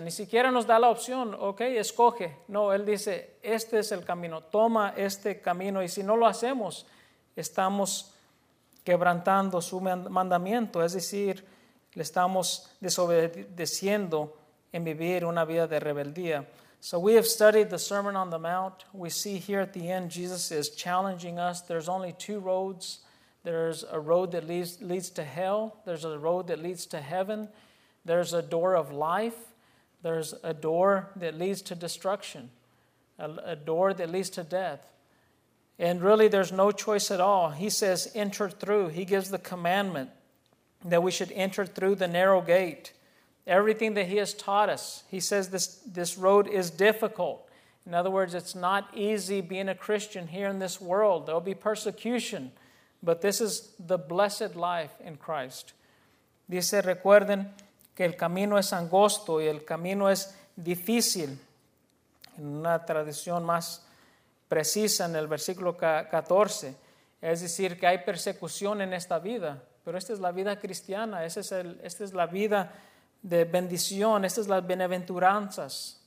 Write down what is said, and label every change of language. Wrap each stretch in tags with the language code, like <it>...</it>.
<es>Ni siquiera nos da la opción, ok, escoge. No, Él dice, este es el camino, toma este camino, y si no lo hacemos, estamos quebrantando su mandamiento, es decir, le estamos desobedeciendo en vivir una vida de rebeldía.</es> <en>So we have studied the Sermon on the Mount. We see here at the end, Jesus is challenging us. There's only two roads. There's a road that leads to hell. There's a road that leads to heaven. There's a door of life. There's a door that leads to destruction, a door that leads to death. And really, there's no choice at all. He says, enter through. He gives the commandment that we should enter through the narrow gate. Everything that He has taught us, He says this road is difficult. In other words, it's not easy being a Christian here in this world. There'll be persecution, but this is the blessed life in Christ.</en> <es>Dice, recuerden que el camino es angosto y el camino es difícil. En una traducción más precisa, en el versículo 14, es decir, que hay persecución en esta vida, pero esta es la vida cristiana, esta es la vida de bendición, estas son las bienaventuranzas.</es>